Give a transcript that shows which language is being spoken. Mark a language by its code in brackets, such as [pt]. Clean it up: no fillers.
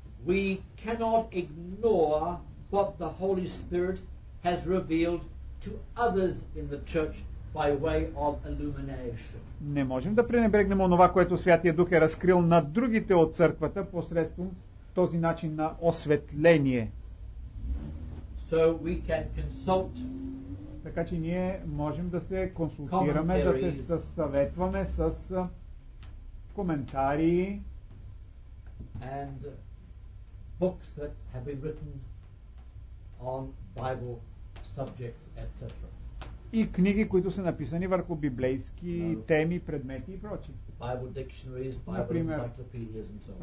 [en] We cannot ignore what the Holy Spirit has revealed to others in the church by way of illumination. [bg] Не можем да пренебрегнем онова, което Святия Дух е разкрил на другите от църквата посредством този начин на осветление. [en] So we can consult. [bg] Така че ние можем да се консултираме, да се съветваме с коментари [en] and books that have been written on Bible subjects, etc. [bg] И книги, които са написани върху библейски теми, предмети и прочи. [en] Bible dictionaries, Bible [bg] например, [en] encyclopedias and so on.